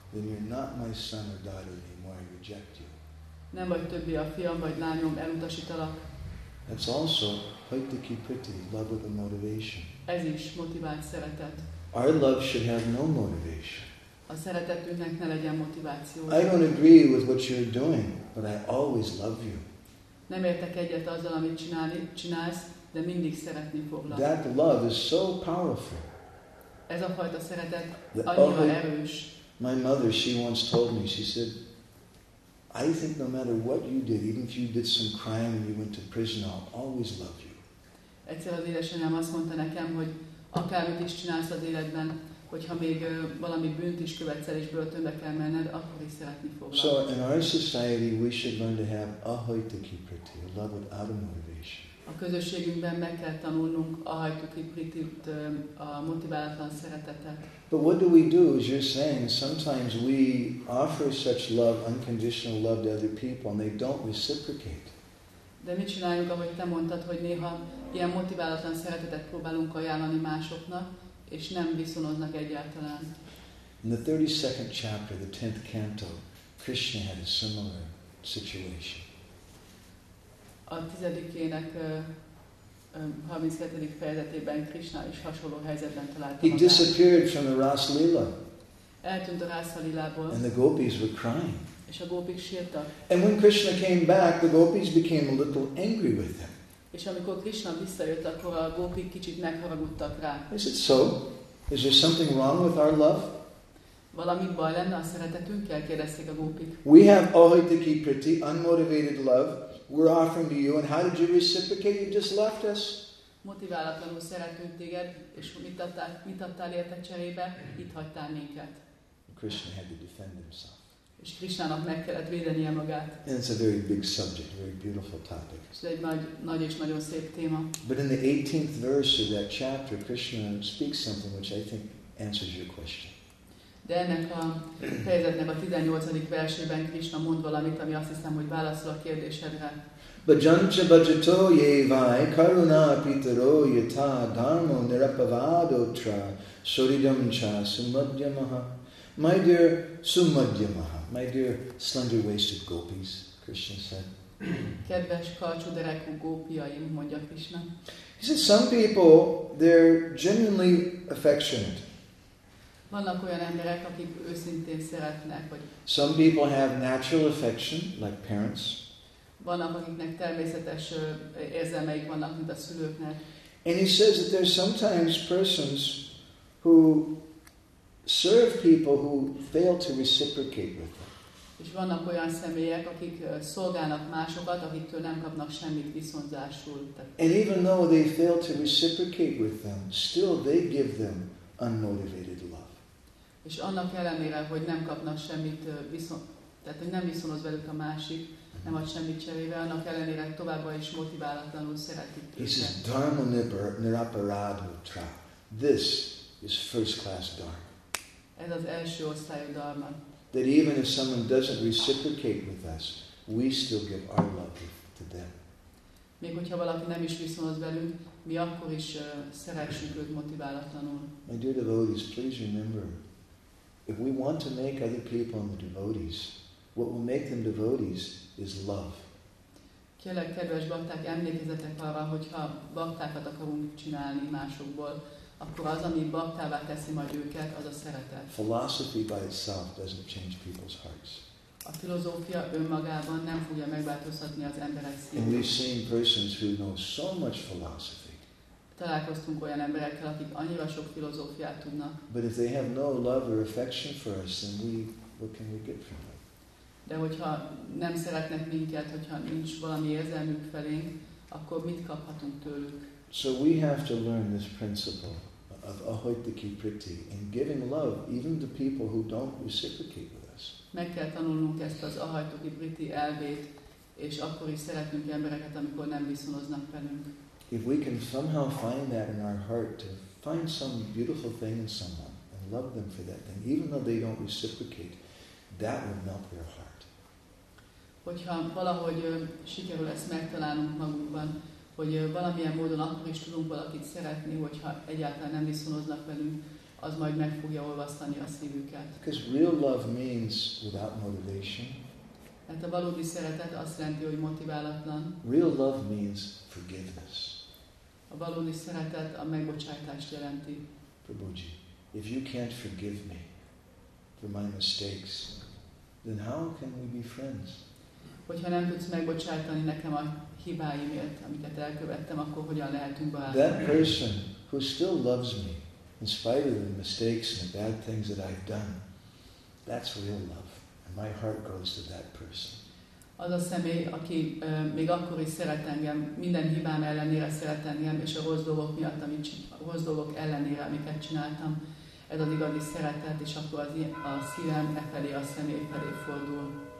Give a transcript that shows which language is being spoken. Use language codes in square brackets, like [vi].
[en] Then you're not my son or daughter anymore. I reject you. [hu] Nem vagy többé a fiam vagy lányom, elutasítalak. [en] That's also haituki priti, love with a motivation. [hu] Ez is motivált szeretet. [en] Our love should have no motivation. [hu] A szeretetünknek ne legyen motiváció. [en] I don't agree with what you're doing, but I always love you. [hu] Nem értek egyet azzal, amit csinálsz, de mindig szeretni foglak. [en] That love is so powerful. [hu] Ez a fajta szeretet annyira erős. [en] My mother, she once told me, she said, "I think no matter what you did, even if you did some crime and you went to prison, I'll always love you." [hu] Egyszer az édesanyám azt mondta nekem, hogy akármit is csinálsz az életben, hogyha még valami bűnt is követsz el és börtönbe kell menned, akkor is szeretni foglak. [en] So in our society we should learn to have ahaituki priti, a love without a motivation. [hu] A közösségünkben meg kell tanulnunk ahaituki priti, a motiválatlan szeretetet. [en] But what do? As you're saying, sometimes we offer such love, unconditional love, to other people, and they don't reciprocate. [hu] De mit csináljunk, ahogy te mondtad, hogy néha ilyen motiválatlan szeretetet próbálunk ajánlani másoknak, és nem viszonoznak egyáltalán. [en] In the 32nd chapter, the 10th canto, Krishna had a similar situation. [hu] A 10. ének 32. fejezetében Krishna is hasonló helyzetben találta. [en] He disappeared from the Rasa-lila. [hu] Eltűnt a Rasa-lilából. [en] And the gopis were crying. [hu] És a gopik sírtak. [en] And when Krishna came back, the gopis became a little angry with him. [hu] És amikor Krishna visszajött, akkor a gópik kicsit megharagudtak rá. [en] Is it so? Is there something wrong with our love? [hu] Valami baj lenne a szeretetünkkel, kérdezték a gópik. [en] We have ahaituki priti, unmotivated love, we're offering to you, and how did you reciprocate? You just left us. [hu] Motiválatlanul szeretünk téged, és mit adtál érte cserébe? Itt hagytál minket. [en] Krishna had to defend himself. [hu] És Krisnának meg kellett védenie magát. [en] And it's a very big subject, a very beautiful topic. [hu] Ez egy nagy és nagyon szép téma. [en] But in the 18th verse of that chapter, Krishna speaks something which I think answers your question. [hu] De ennek a fejezetnek a 18. versében Krishna mond valamit, ami azt hiszem, hogy válaszol a kérdésedre. [sa] Bajancha bajato yevai karuna pitaro yata dharmo nirapavado tra suridam cha sumadhyamaha. [en] My dear Sumadhyamaha, my dear slender-waisted gopis, Krishna said. [hu] Kedves karcsúderekú gópiaim, mondja Krishna. [en] He said, some people, they're genuinely affectionate. [hu] Vannak olyan emberek, akik őszintén szeretnek, vagy... [en] Some people have natural affection, like parents. [hu] Vannak, akiknek természetes érzelmeik vannak, mint a szülőknek. [en] And he says that there's sometimes persons who serve people who fail to reciprocate with them. [hu] És vannak olyan személyek, akik szolgálnak másokat, akiktől nem kapnak semmit viszontzásul. [en] And even though they fail to reciprocate with them, still they give them unmotivated love. [hu] És annak ellenére, hogy nem kapnak semmit viszont, tehát hogy nem viszonoz velük a másik, nem ad semmit cserébe, annak ellenére továbbá is motiválatlanul szeretik. [en] This is [sa] dharma niraparadhutra. [en] This is first class dharma. [hu] Ez az első osztályú dharma. [en] That even if someone doesn't reciprocate with us, we still give our love to them. [hu] Még hogyha valaki nem is viszonoz velünk, mi akkor is szeressük őt motiválatlanul. [en] My dear devotees, please remember, if we want to make other people into devotees, what will make them devotees is love. [hu] Kérlek, kedves bakták, emlékezzetek arra, hogyha baktákat akarunk csinálni másokból, akkor az, ami baktává teszi majd őket, az a szeretet. [en] Philosophy by itself doesn't change people's hearts. [hu] A filozófia önmagában nem fogja megváltoztatni az emberek szívét. [en] And we've seen persons who know so much philosophy. [hu] Találkoztunk olyan emberekkel, akik annyira sok filozófiát tudnak. [en] But if they have no love or affection for us, then we, what can we get from them? [hu] De hogyha nem szeretnek minket, hogyha nincs valami érzelmük felénk, akkor mit kaphatunk tőlük? [en] So we have to learn this principle of ahoitiki priti and giving love even to people who don't reciprocate with us. [hu] Meg kell tanulnunk ezt az ahoitiki priti elvét, és akkor is szeretnünk embereket, amikor nem viszonoznak velünk. [en] If we can somehow find that in our heart to find some beautiful thing in someone and love them for that, then even though they don't reciprocate, that will melt their heart. [hu] Hogyha valahogy sikerül ezt megtalálnunk magunkban, hogy valamilyen módon akkor is tudunk valakit szeretni, hogyha egyáltalán nem viszonoznak velünk, az majd meg fogja olvasztani a szívüket. [en] Because real love means without motivation. [hu] Hát a valódi szeretet azt jelenti, hogy motiválatlan. [en] Real love means forgiveness. [hu] A valódi szeretet a megbocsátást jelenti. [en] Prabhuji, if you can't forgive me for my mistakes, then how can we be friends? [hu] Hogyha nem tudsz megbocsátani nekem a hibáimért, amiket elkövettem, akkor hogyan lehetünk barátok? [en] That person who still loves me, in spite of the mistakes and the bad things that I've done, that's real love. And my heart goes to that person. [hu] Az a személy, aki még akkor is szeret engem, minden hibám ellenére szeret engem, és a rossz dolgok miatt, amit rossz dolgok ellenére, amiket csináltam, ez az igazi szeretet, és akkor az a szívem e felé, a személy felé fordul.